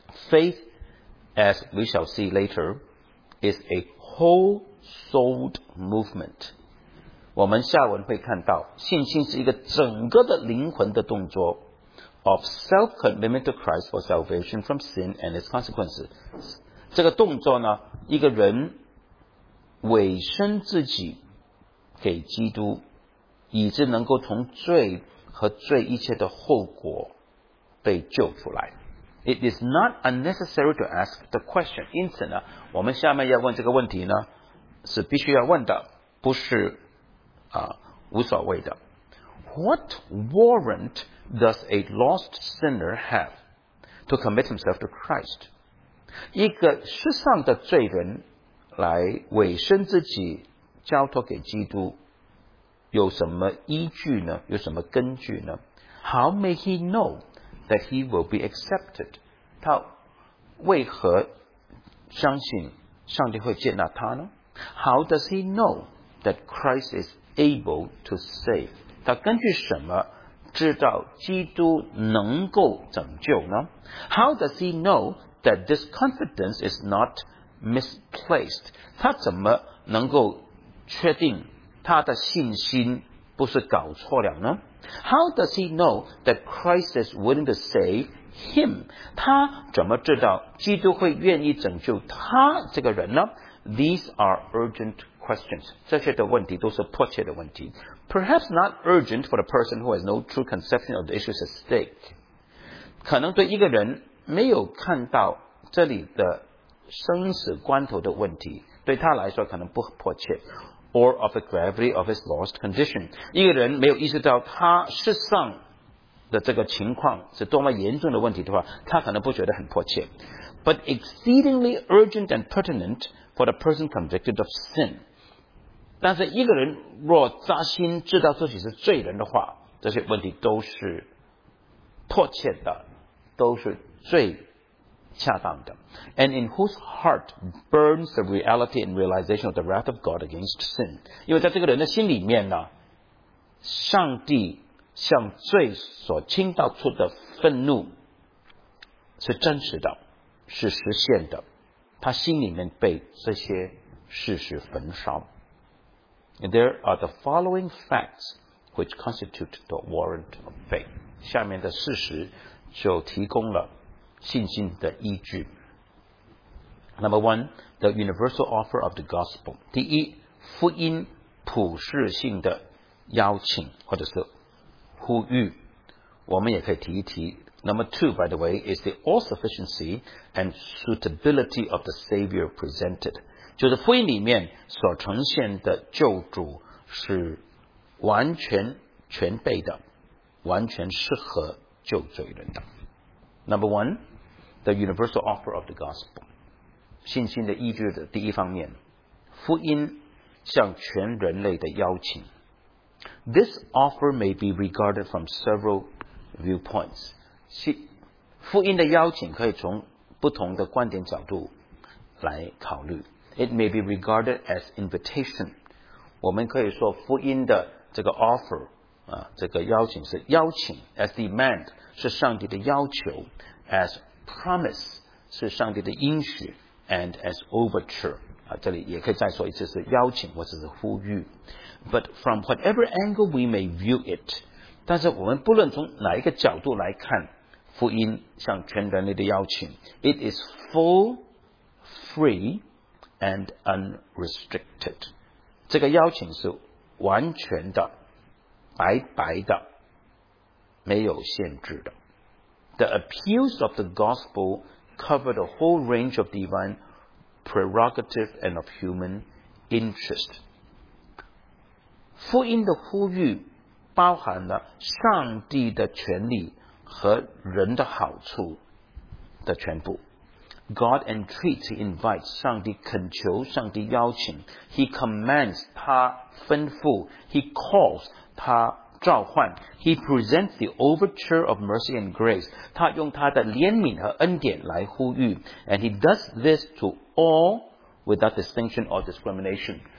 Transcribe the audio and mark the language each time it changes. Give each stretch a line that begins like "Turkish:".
English: Faith, as we shall see later, is a whole-souled movement.
Chinese: 我们下文会看到，信心是一个整个的灵魂的动作
English: of self-commitment to Christ for salvation from sin and its consequences.
Chinese: 这个动作呢，一个人委身自己给基督，以致能够从罪和罪一切的后果被救出来。
English: It is not unnecessary to ask the question.
Chinese: 因此呢，我们下面要问这个问题呢，是必须要问的，不是无所谓的。
English: What warrant does a lost sinner have to commit himself to Christ?
Chinese: 一个失丧的罪人来委身自己交托给基督有什么依据呢？有什么根据呢 ？
English: How may he know that he will be accepted?
Chinese: 他为何相信上帝会接纳他呢 ？
English: How does he know that Christ is able to save?
Chinese: 他根据什么知道基督能够拯救呢 ？
English: How does he know that this confidence is not misplaced?
Chinese: 他怎么能够确定？他的信心不是搞错了呢 ？
English: How does he know that Christ is willing to save him?
Chinese: 他怎么知道基督会愿意拯救他这个人呢 ？
English: These are urgent questions.
Chinese: 这些的问题都是迫切的问题。
English: Perhaps not urgent for the person who has no true conception of the issues at stake.
Chinese: 可能对一个人没有看到这里的生死关头的问题，对他来说可能不迫切。
English: Or of the gravity of his lost condition.
Chinese: 一个人没有意识到他失丧的这个情况是多么严重的问题的话，他可能不觉得很迫切。
English: But exceedingly urgent and pertinent for the person convicted of sin.
Chinese: 但是一个人若扎心知道自己是罪人的话，这些问题都是迫切的，都是最恰当的。
English: And in whose heart burns the reality and realization of the wrath of God against sin?
Chinese: 因为在这个人的心里面呢，上帝向罪所倾倒出的愤怒是真实的，是实现的。他心里面被这些事实焚烧。
English: There are the following facts which constitute the warrant of faith.
Chinese: 下面的事实就提供了信心的依据。
English: Number one, the universal offer of the gospel.
Chinese: 第一，福音普世性的邀请或者是呼吁。我们也可以提一提
English: Number two, by the way, is the all-sufficiency and suitability of the Savior presented.
Chinese: 就是福音里面所呈现的救主是完全全备的，完全适合救罪人的。
English: Number one, the universal offer of the gospel.
Chinese: 信心的依据的第一方面，福音向全人类的邀请。
English: This offer may be regarded from several viewpoints.
Chinese: 福音的邀请可以从不同的观点角度来考虑。
English: It may be regarded as invitation.
Chinese: 我们可以说福音的这个 offer,这个邀请是邀请 ,
English: as demand,
Chinese: 是上帝的要求 ,
English: as promise,
Chinese: 是上帝的应许 ,
English: and as overture,
Chinese: 这里也可以再说一次是邀请或者是呼吁。
English: But from whatever angle we may view it,
Chinese: 但是我们不论从哪一个角度来看福音向全人类的邀请
English: ,it is full, free,and unrestricted.
Chinese: 这个邀请是完全的白白的没有限制的。
English: The appeals of the gospel cover the whole range of divine prerogative and of human interest.
Chinese: 福音的呼吁包含了上帝的权利和人的好处的全部。
English: God entreats, He invites,
Chinese: 上帝恳求，上帝邀请。
English: He commands,
Chinese: 他吩咐。
English: He calls,
Chinese: 他召唤。
English: He presents the overture of mercy and grace,
Chinese: 他用他的怜悯和恩典来呼吁。
English: And He does this to all without distinction or discrimination.